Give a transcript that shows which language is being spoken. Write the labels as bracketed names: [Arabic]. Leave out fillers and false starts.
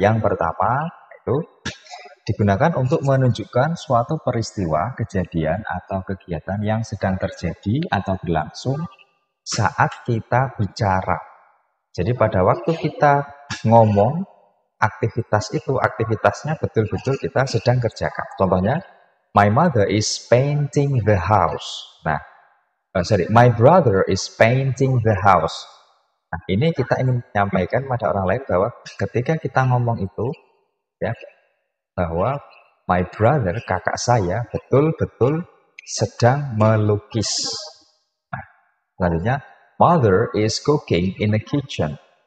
[Indonesian] Yang pertama, itu digunakan untuk menunjukkan suatu peristiwa, kejadian, atau kegiatan yang sedang terjadi atau berlangsung saat kita bicara. Jadi, pada waktu kita ngomong, aktivitas itu, aktivitasnya betul-betul kita sedang kerjakan. Contohnya, [English] my mother is painting the house. Nah, sorry, my brother is painting the house. [Indonesian] Nah, ini kita ingin menyampaikan pada orang lain bahwa ketika kita ngomong itu, ya, bahwa [English] my brother, [Indonesian] kakak saya, betul-betul sedang melukis. Nah, selanjutnya, [English] mother is cooking in the kitchen.